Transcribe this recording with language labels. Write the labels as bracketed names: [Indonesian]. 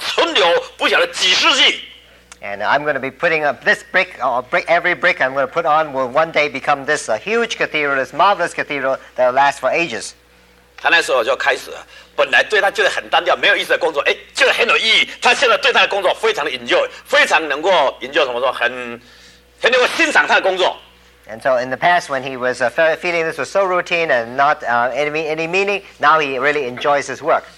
[Chinese] 所放上去的一块一块的砖啊，就是要建设一个这么堂皇富丽的大礼拜堂，而且要存留不晓得几世纪。And [English] I'm going to be putting up this brick, or brick, every brick I'm going to put on will one day become this a huge cathedral, this marvelous cathedral that will last for ages. [Chinese] 他那时候就开始，本来对他觉得很单调，没有意思的工作，哎，觉得很有意义。他现在对他的工作非常的 enjoy， 非常能够研究什么说，很能够欣赏他的工作。 [English] And so in the past, when he was feeling this was so routine and not any meaning, now he really enjoys his work.